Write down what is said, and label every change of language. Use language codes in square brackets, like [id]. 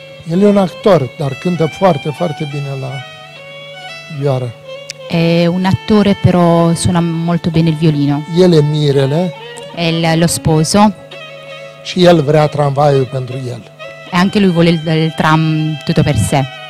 [ro] El e un actor, dar cântă foarte, foarte bine la vioară. [it] È un attore, però suona molto bene il violino. [ro] El e mirele. [it] È lo sposo. [ro] Și el vrea tramvaiul pentru el. [it] E anche lui vuole il tram tutto per sé.